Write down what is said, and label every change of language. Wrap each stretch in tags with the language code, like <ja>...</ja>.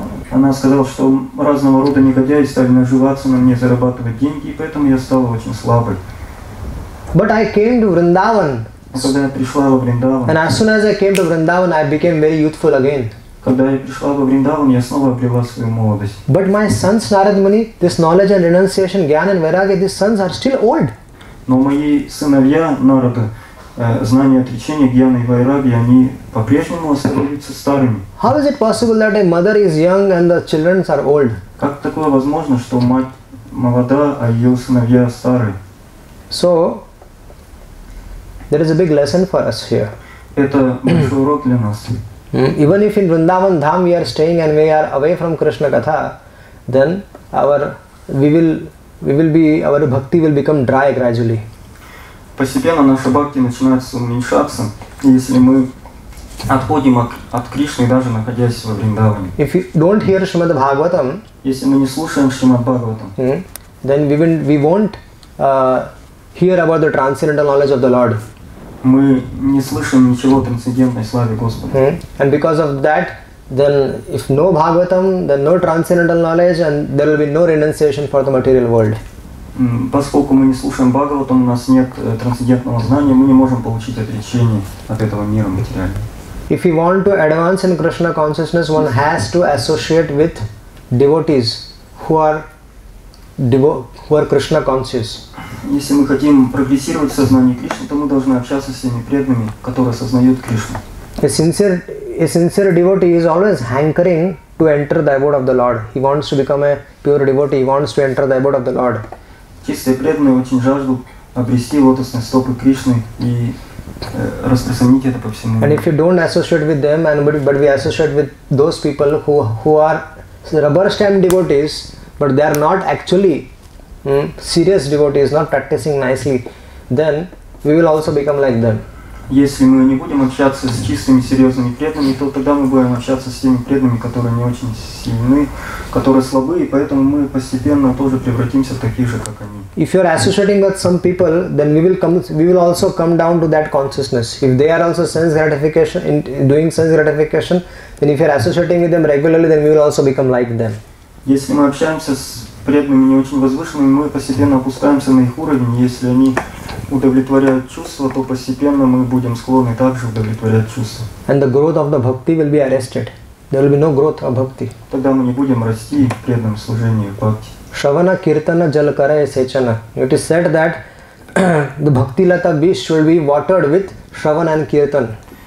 <ru>Она сказала, что разного рода негодяи стали наживаться на мне, зарабатывать деньги, и поэтому я стала очень слабой.</ru> <en>But I came to Vrindavan.</en> <ru>Когда я пришла во Вриндаван.</ru> <en>And as soon as I came to Vrindavan, I became very youthful again.</en> <ru>Когда я пришла во Вриндаван, я снова обрела свою молодость.</ru> <en>But my sons, Narad Muni, this knowledge and renunciation, Gyan and Vairagya, these sons are still old.</en> <ru>Но мои сыновья, Нарада, знания отречения, Гьян и Вайраги, они по-прежнему остаются старыми.</ru> <en>How is it possible that a mother is young and the children are old?</en> <ru>Как такое возможно, что мать молода, а ее сыновья старые?</ru> <en>So there is a big lesson for us here.</en> <ru>Это большой урок для нас.</ru> <en>Even if in Vrindavan Dham we are staying and we are away from Krishna Katha, then our bhakti will become dry gradually.</en> <ru>Постепенно наша бхакти начинает уменьшаться, если мы отходим от Кришны, даже находясь во Вриндаване.</ru> <en>If you don't hear Shrimad Bhagavatam,</en> <ru>если мы не слушаем Shrimad Bhagavatam,</ru> <en>then we won't hear about the transcendental knowledge of the Lord.</en> <ru>Мы не слышим ничего о трансцендентной славе Господа.</ru> <en>And because of that, then if no Bhagavatam, then no transcendental knowledge, and there will be no renunciation for the material world.</en> <ru>Поскольку мы не слушаем Бхагаватам, у нас нет трансцендентного знания, мы не можем получить отречение от этого мира материального.</ru> <en>If we want to advance in Krishna consciousness, one has to associate with devotees who are Krishna conscious.</en> <ru>Если мы хотим прогрессировать в сознании Кришны, то мы должны общаться с теми преданными, которые осознают Кришну.</ru> <en>A sincere devotee is always hankering to enter the abode of the Lord. He wants to become a pure devotee. He wants to enter the abode of the Lord.</en> <ru>Чистые преданные очень жаждут обрести лотосные стопы Кришны и</ru> <en>And if you don't associate with them, and but we associate with those people who are rubber stamp devotees, but they are not actually serious devotees, not practicing nicely, then we will also become like them.</en> <ru>Если мы не будем общаться с чистыми, серьезными преданными, то тогда мы будем общаться с теми преданными, которые не очень сильны, которые слабы, и поэтому мы постепенно тоже превратимся в таких же, как они.</ru> <en>If you are associating with some people, then we will also come down to that consciousness. If they are also sense gratification, doing sense gratification, then if you are associating with them regularly, then we will also become like them.</en> <ru>Если мы общаемся с преданными не очень возвышенными, мы постепенно опускаемся на их уровень, если они удовлетворяют чувства, то постепенно мы будем склонны также удовлетворять чувства.</ru> <en>And the growth of the bhakti will be arrested. There will be no growth of bhakti.</en> <ru>Тогда мы не будем расти в преданном служении бхакти.</ru> <bn>Shavana kirtana jal karaye sechana.</bn> <en>It is said that the bhakti lata beach should be watered with shavana and kirtan.</en>